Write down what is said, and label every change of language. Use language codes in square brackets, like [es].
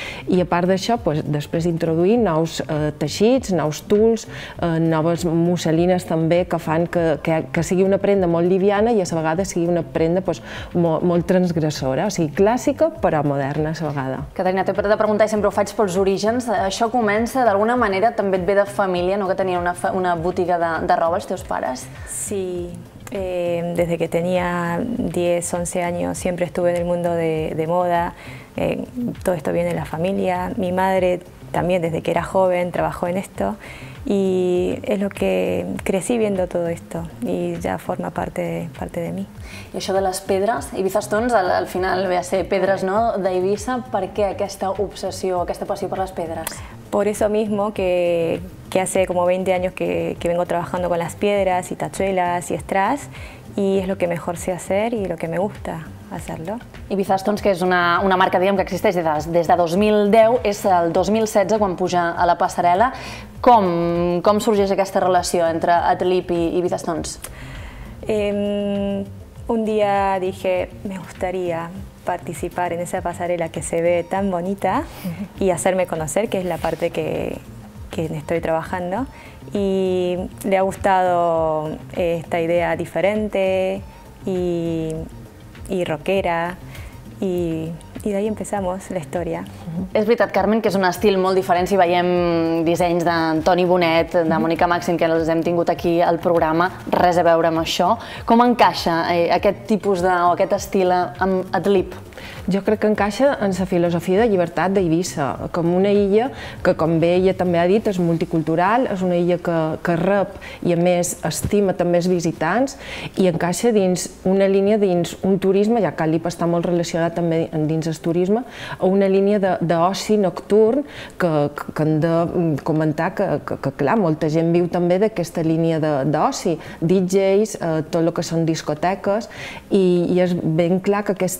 [ca] I a part d'això, pues, després d'introduir nous teixits, nous tuls, noves musselines també que fan que sigui una prenda molt liviana i a la vegada sigui una prenda doncs, molt, molt transgressora, o sigui, clàssica però moderna a la vegada. Caterina, t'he de preguntar, i sempre ho faig pels orígens, això comença d'alguna manera, també et ve de família, no, que tenia una botiga de roba els teus pares? [es] Sí, desde que tenía 10, 11 años siempre estuve en el mundo de moda, todo esto viene de la familia, mi madre también desde que era joven trabajó en esto. Y es lo que crecí viendo todo esto y ya forma parte de mí. [ca] I això de les pedres, Ibiza Stones al final ve a ser pedres, no? D'Ibiza, per què aquesta obsessió, aquesta passió per les pedres? [es] Por eso mismo que hace como 20 años que vengo trabajando con las piedras y tachuelas y strass y es lo que mejor sé hacer y lo que me gusta. Hacerlo. [ca] Ibiza Stones, que és una marca, diguem, que existeix des de 2010, és el 2016 quan puja a la passarel·la. Com sorgeix aquesta relació entre Adlib i Ibiza Stones? [es] Un dia dije, me gustaría participar en esa passarel·la que se ve tan bonita y hacerme conocer, que es la parte que estoy trabajando. Y le ha gustado esta idea diferente y rockera, y de ahí empezamos la historia. [ca] És veritat, Carmen, que és un estil molt diferent si veiem dissenys d'Antoni Bonet, de Mònica Màxim, que els hem tingut aquí al programa, res a veure amb això. Com encaixa aquest tipus o aquest estil amb Adlib? Jo crec que encaixa en la filosofia de llibertat d'Eivissa, com una illa que, com bé ella també ha dit, és multicultural, és una illa que rep i, a més, estima també els visitants i encaixa dins una línia, dins un turisme, ja que l'Ip està molt relacionat també dins el turisme, una línia d'oci nocturn que hem de comentar que, clar, molta gent viu també d'aquesta línia d'oci, DJs, tot el que són discoteques, i és ben clar que